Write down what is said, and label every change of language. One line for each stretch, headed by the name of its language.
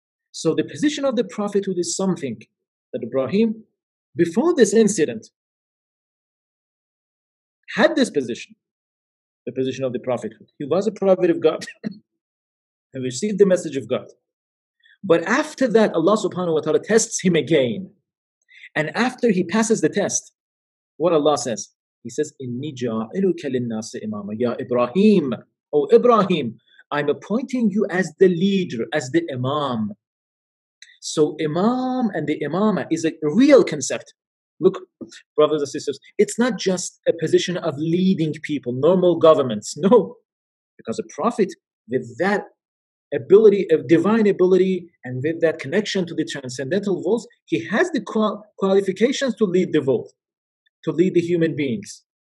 English: So the position of the prophethood is something that Ibrahim, before this incident, had this position, the position of the prophethood. He was a prophet of God and received the message of God. But after that, Allah subhanahu wa ta'ala tests him again. And after he passes the test, what Allah says? He says,
Arabic: إِنِّي جَاعِلُكَ لِلنَّاسِ إِمَامًا يَا إِبْرَاهِيمُ.
English: O Ibrahim, I'm appointing you as the leader, as the imam. So imam and the imamah is a real concept. Look, brothers and sisters, it's not just a position of leading people, normal governments. No, because a prophet with that ability, of divine ability, and with that connection to the transcendental voice, he has the qualifications to lead the world, to lead the human beings.